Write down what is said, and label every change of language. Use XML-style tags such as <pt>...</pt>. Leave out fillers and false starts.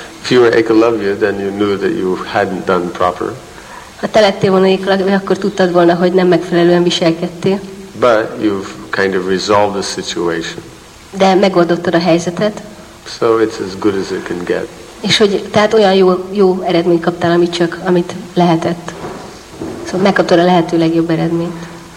<en>If you were Ekalavya, then you knew that you hadn't done proper.</en> <hu>Ha te lettél volna Ekalavya, akkor tudtad volna, hogy nem megfelelően viselkedtél.</hu> <en>But you've kind of resolved the situation.</en> <hu>De megoldottad a helyzetet.</hu> <en>So it's as good as it can get.</en> <hu>És hogy tehát olyan jó eredményt kaptál, amit lehetett. Szóval megkaptad a lehető legjobb eredményt.</hu>